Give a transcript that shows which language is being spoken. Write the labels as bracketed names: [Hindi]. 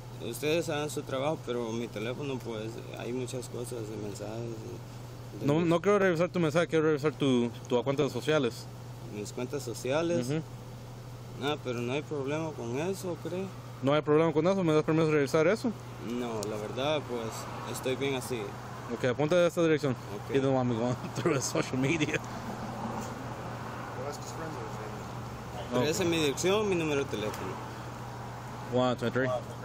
[Spanish] Ustedes saben su trabajo, pero mi teléfono, pues, hay muchas cosas, mensajes... No quiero revisar tu mensaje, quiero revisar tu cuentas sociales. ¿Mis cuentas sociales? Uh-huh. Ah, pero no hay problema con eso, ¿cree? ¿No hay problema con eso? ¿Me das permiso de revisar eso? No, la verdad, pues, estoy bien así. Ok, apunta a esta dirección. Okay. [English] You don't want me going through the social media. [Spanish] Pero okay. Esa es mi dirección, mi número de teléfono.